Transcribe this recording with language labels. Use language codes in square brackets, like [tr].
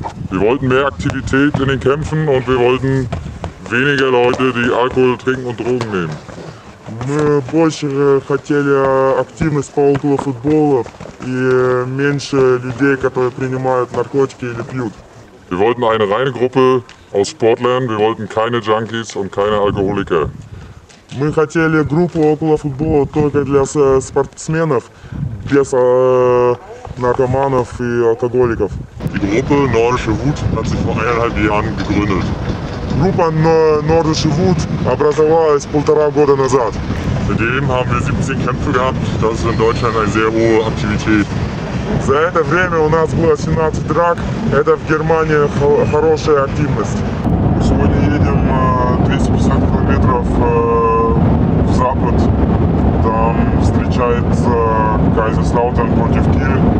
[de] Wir wollten mehr Aktivität in den Kämpfen und wir wollten weniger Leute, die Alkohol trinken und Drogen nehmen. [ru] Мы больше хотели активность по околофутболу и меньше людей, которые принимают наркотики или пьют. [de] Wir wollten eine reine Gruppe aus Sportlern, wir wollten keine Junkies und keine Alkoholiker. [ru] Мы хотели группу околофутбола только для спортсменов, без наркоманов и алкоголиков. [de] Die Gruppe Nordische Wut hat sich vor 1,5 Jahren gegründet. [ru] Группа Nordische Wut образовалась полтора года назад. [de] Seitdem haben wir 17 Kämpfe gehabt. Das ist in Deutschland eine sehr hohe Aktivität. [ru] За это время у нас было 17 драк. Это в Германии хорошая активность. Мы сегодня едем 250 километров в запад. Там встречается Кайзерслаутерн против Киль.